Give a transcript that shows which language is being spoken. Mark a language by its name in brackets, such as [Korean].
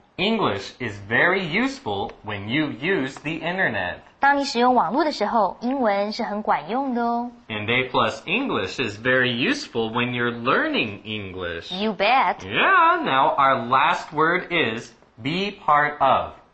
[English] English is very useful when you use the internet. [Chinese] 当你使用网络的时候，英文是很管用的哦。 [English] And A plus English is very useful when you're learning English. You bet. Yeah, now our last word is be part of.